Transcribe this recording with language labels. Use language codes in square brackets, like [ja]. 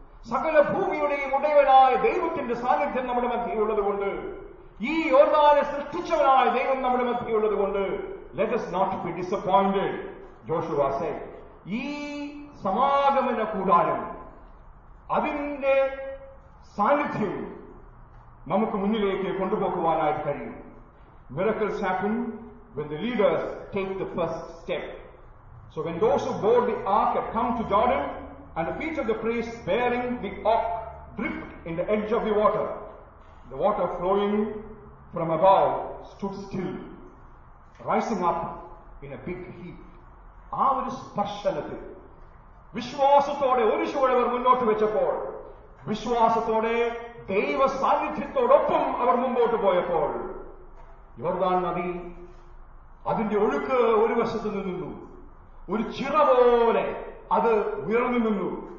[ml] സകല ഭൂമിയുടെയും ഉടയവനായ ദൈവത്തിന്റെ സാന്നിധ്യം നമ്മുടെ മധ്യയുള്ളത് കൊണ്ട്, ഈ യോർദാനെ സൃഷ്ടിച്ചവനായ ദൈവം നമ്മുടെ മധ്യയുള്ളത് കൊണ്ട് [en] Let us not be disappointed, Joshua said. [ml] ഈ സമാഗമന കൂടാരം, അതിന്റെ സാന്നിധ്യം നമുക്ക് മുന്നിലേക്ക് കൊണ്ടുപോകുവാനായി കഴിയും. [en] Miracles happen when the leaders take the first step. So when those who bore the ark have come to Jordan and the feet of the priests bearing the ark dripped in the edge of the water flowing from above stood still, rising up in a big heap. [ml] ആ ഒരു സ്പർശനത്തിൽ വിശ്വാസത്തോടെ ഒരു ശുവഴവർ മുന്നോട്ട് വെച്ചപ്പോൾ, വിശ്വാസത്തോടെ ദൈവ സാന്നിധ്യത്തോടൊപ്പം അവർ മുമ്പോട്ട് പോയപ്പോൾ യോർദാൻ നദി അതിന്റെ ഒഴുക്ക് ഒരു വശത്ത് നിന്നു, ഒരു ചിറ പോലെ അത് ഉയർന്നു നിന്നു.